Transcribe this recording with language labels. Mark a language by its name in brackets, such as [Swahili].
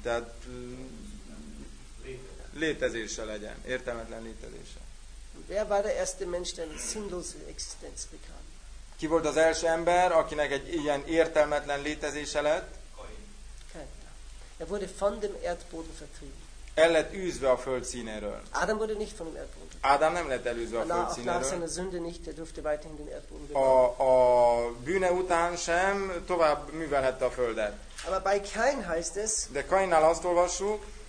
[Hungarian] Tehát létezése legyen, értelmetlen létezése. [German] Wer war der erste Mensch, der eine sinnlose Existenz bekam? [Hungarian] Ki volt az első ember, akinek egy ilyen értelmetlen létezése lett? [German] Er wurde von dem Erdboden vertrieben. [Hungarian] El lett űzve a föld színéről. [German] Adam wurde nicht von dem Erdboden vertrieben. [Hungarian] Adam nem lett elűzve a föld színéről. [German] Nach seiner Sünde nicht, er durfte weiterhin den Erdboden bewahren. [Hungarian] A bűne után sem tovább művelhette a földet. [German] Aber bei Kain heißt es, [Hungarian] de Kainnál azt olvassuk,